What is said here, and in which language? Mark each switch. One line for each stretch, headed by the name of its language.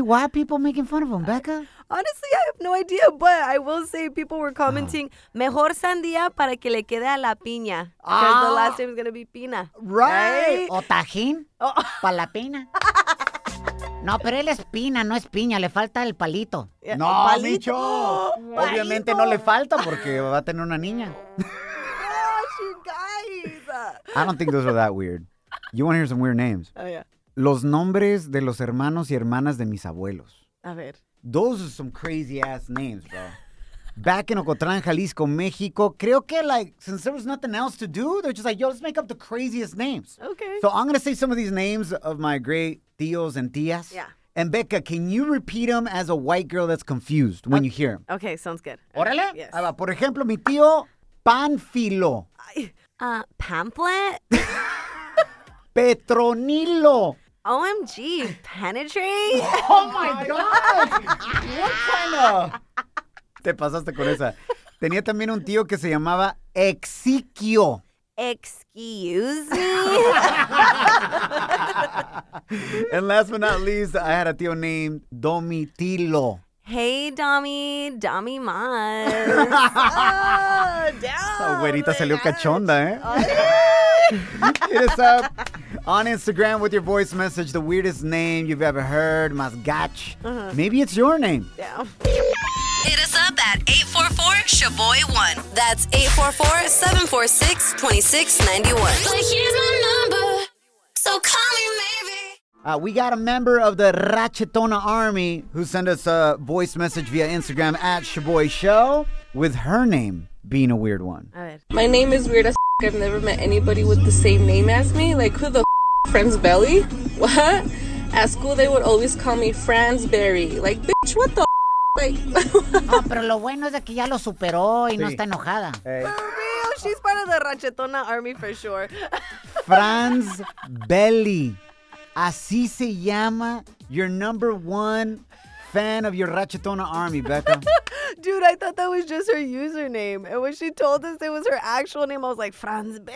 English: Why are people making fun of him, Becca? Honestly, I have no idea, but I will say people were commenting,
Spanish: mejor sandía para que le quede a la piña.
English: Because the last name is going to be Pina. Right.
Spanish: O tajín para la piña. No, pero él es pina, no es piña. Le falta el palito. ¡No, palito. Micho! Palito. Obviamente no le falta porque va a tener una niña.
English: Gosh, you guys. I don't think those are that weird. You want to hear some weird names. Oh, yeah.
Spanish: Los nombres de los hermanos y hermanas de mis abuelos. A ver.
English: Those are some crazy ass names, bro. Back in Ocotlán, Jalisco, México.
Spanish: Creo que,
English: like, since there was nothing else to do, they're just like, yo, let's make up the craziest names. Okay. So I'm going to say some of these names of my great tíos and tías. Yeah. And Becca, can you repeat them as a white girl that's confused when you hear them? Okay, sounds good.
Spanish: Órale.
English: Okay, yes.
Spanish: Por ejemplo, mi tío, Panfilo.
English: Pamphlet?
Spanish: Petronilo.
English: OMG, penetrate? Oh, my God. What kind of...
Spanish: Te pasaste con esa. Tenía también un tío que se llamaba Exiquio.
English: Excuse me. And last but not least, I had a tío named Domitilo. Hey, Domi. Domi Mas. Oh, damn.
Spanish: Esa güerita salió
English: ouch.
Spanish: Cachonda, ¿eh?
English: Hit us up on Instagram with your voice message. The weirdest name you've ever heard. Mas gach. Uh-huh. Maybe it's your name. Yeah. Hit us up at 844-SHABOY1. That's 844-746-2691. But here's my number, so call me maybe. We got a member of the Ratchetona Army who sent us a voice message via Instagram at Shaboy Show with her name being a weird one. My name is weird as f-. I've never met anybody with the same name as me. Like, who the f- friends Belly? What? At school, they would always call me Fransberry. Like, bitch, what the f-?
Spanish: Oh, pero lo bueno es de que ya lo superó y sí. No está enojada.
English: Hey. For real, she's part of the Ratchetona Army for sure. Franz Belli.
Spanish: Así se llama
English: your number one fan of your Ratchetona Army, Becca. Dude, I thought that was just her username. And when she told us it was her actual name, I was like, Franz Belli?